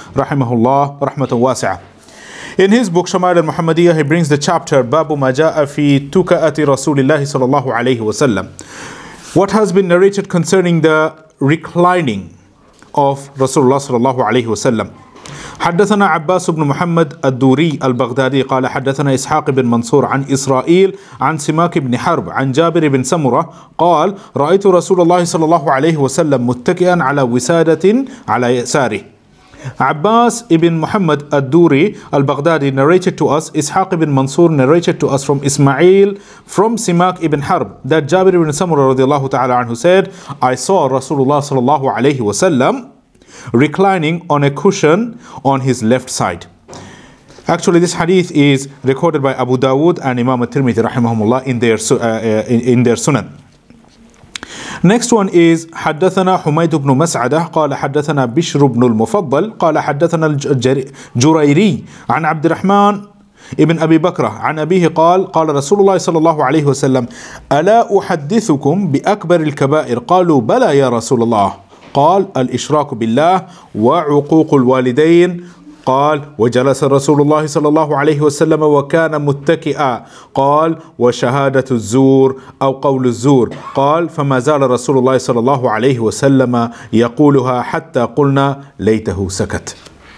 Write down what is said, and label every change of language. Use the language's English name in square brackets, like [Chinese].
[English] Rahimahullah, rahmatan wasi'a. In his book Shama'il Al-Muhammadiyyah, he brings the chapter Babu Maja'a fi Tuka'ati Rasulillahi sallallahu alayhi wa sallam. What has been narrated concerning the reclining of Rasulullah sallallahu alayhi wa sallam. [Arabic] حدثنا عباس بن محمد الدوري البغدادي قال حدثنا إسحاق بن منصور عن إسرائيل عن سماك بن حرب عن جابر بن سمرة قال رأيت رسول الله صلى الله عليه وسلم متكئا على وسادة على يساره. [English] عباس بن محمد الدوري البغدادي narrated to us. إسحاق بن منصور narrated to us from إسماعيل from سماك بن حرب that جابر بن سمرة رضي الله تعالى عنه said I saw رسول الله صلى الله عليه وسلم reclining on a cushion on his left side. Actually, this hadith is recorded by Abu Dawood and Imam At-Tirmidhi rahimahumullah in their Sunan. Next one is [Arabic] حدثنا حميد بن مسعدة قال حدثنا بشر بن المفضل قال حدثنا الجريري عن عبد الرحمن ابن أبي بكرة عن أبيه قال قال رسول الله صلى الله عليه وسلم ألا أحدثكم بأكبر الكبائر قالوا بلى يا رسول الله قال الإشراك بالله وعقوق الوالدين قال وجلس رسول الله صلى الله عليه وسلم وكان متكئا قال وشهادة الزور أو قول الزور قال فما زال رسول الله صلى الله عليه وسلم يقولها حتى قلنا ليته سكت.